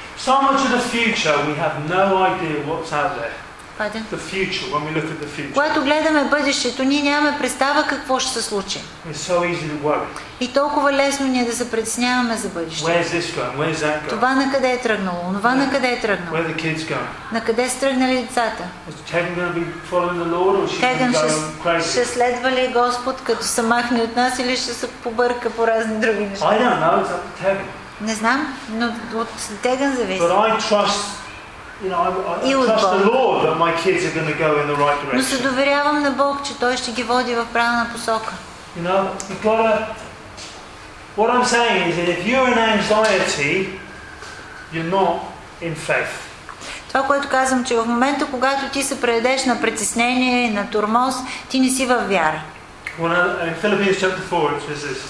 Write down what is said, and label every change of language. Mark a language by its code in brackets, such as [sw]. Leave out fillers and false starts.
[en] So much of the future, we have no idea what's out there. The future, when we look at the future. [bg] Когато гледаме бъдещето, ние нямаме представа какво ще се случи. [en] It's so easy to worry. [bg] И толкова лесно ние да се притесняваме за бъдещето. [en] Where's this going? Where's that going? [bg] Това на къде е тръгнало? Това на къде е тръгнало? [en] Where the kids going? [bg] На къде са тръгнали децата? [en] Is Tegan going to be following the Lord or she's going to go crazy? [bg] Ще следва ли Господ, като се махне от нас или ще се побърка по разни други неща? [en] I don't know, it's up to Tegan. [bg] Не знам, но от Tegan зависи. [en] But I trust. You know, I trust the Lord that my kids are going to go in the right direction. [bg] Но се доверявам на Бог, че Той ще ги води в правилна посока. [en] You know, you've got to. What I'm saying is that if you're in anxiety, you're not in faith. [bg] Това, което казвам, че в момента, когато ти се предадеш на притеснение и на турмоз, ти не си във вяра. [en] In Philippians chapter 4, it says this.